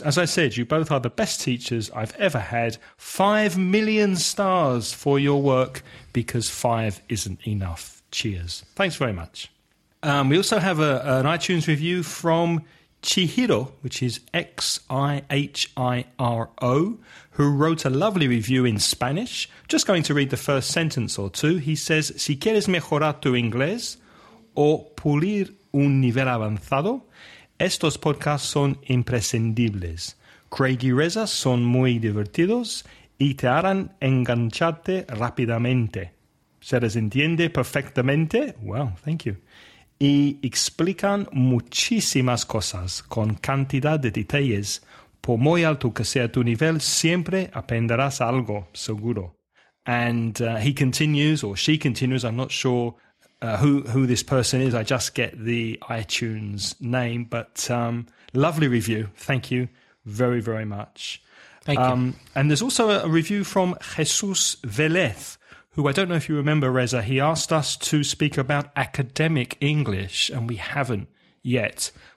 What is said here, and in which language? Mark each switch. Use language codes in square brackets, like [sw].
[en] As I said, you both are the best teachers I've ever had. 5 million stars for your work, because 5 isn't enough. Cheers. Thanks very much. We also have an iTunes review from Chihiro, which is X-I-H-I-R-O, who wrote a lovely review in Spanish. Just going to read the first sentence or two. [es] He says, "Si quieres mejorar tu inglés o pulir un nivel avanzado, estos podcasts son imprescindibles. Craig y Reza son muy divertidos y te harán engancharte rápidamente. Se les entiende perfectamente." [en] Wow, thank you. [es] "Y explican muchísimas cosas con cantidad de detalles. Por muy alto que sea tu nivel, siempre aprenderás algo, seguro." [en] And he continues, or she continues, I'm not sure who this person is. I just get the iTunes name. But lovely review. Thank you very, very much. Thank you. And there's also a review from Jesus Velez, who, I don't know if you remember, Reza, he asked us to speak about academic English, and we haven't yet.